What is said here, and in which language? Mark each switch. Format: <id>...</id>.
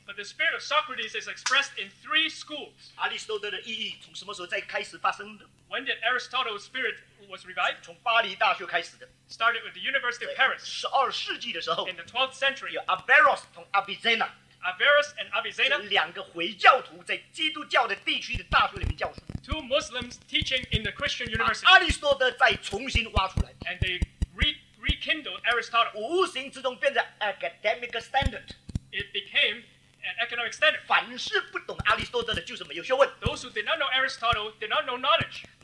<en>But the spirit of Socrates is expressed in three schools.</en> <zh>阿里斯多德的意义从什么时候再开始发生的？</zh> <en>When did Aristotle's spirit was revived?</en> <zh>从巴黎大学开始的。</zh> <en>Started with the University of Paris.</en> <zh>12世纪的时候，</zh> <en>In the 12th century,</en> <zh>有Averroes和Avicenna。</zh> <en>Averroes and Avicenna,</en> <zh>两个回教徒在基督教的地区的大学里面教书，</zh> <en>Two Muslims teaching in the Christian university.</en> <zh>阿里斯多德再重新挖出来，</zh> <en>And they rekindled Aristotle.</en> <zh>无形之中变成</zh> <en>academic standard. It became an economic standard.</en> <zh>凡是不懂阿里斯多德的就是没有学问。</zh> <en>Those who did not know Aristotle did not know knowledge.</en>